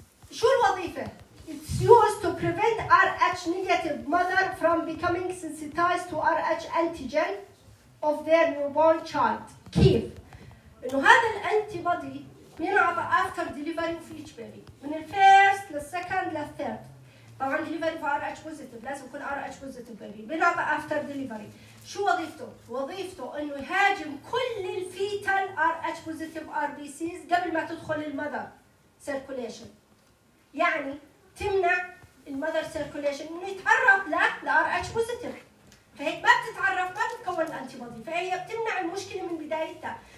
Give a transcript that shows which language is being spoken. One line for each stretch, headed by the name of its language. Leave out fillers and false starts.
Arabic: شو الوظيفة؟
English: It's used to prevent Rh negative mother from becoming sensitized to Rh antigen of their newborn child.
Arabic: كيف؟ إنه هذا الانتيبادي ينعطى
English: after delivery
Arabic: في each baby من الـ first للـ second للـ third. طبعاً delivery في Rh positive لازم يكون Rh positive baby بينعطى after delivery. شو وظيفته؟ وظيفته إنه يهاجم كل الفيتال Rh positive RBCs قبل ما تدخل المذر circulation. يعني تمنع المذر سيركوليشن انه يتعرف لا لار اتش بوزيتيف. فهيك ما بتتعرف ما بتتكون الانتي بودي فهي بتمنع المشكله من بدايتها.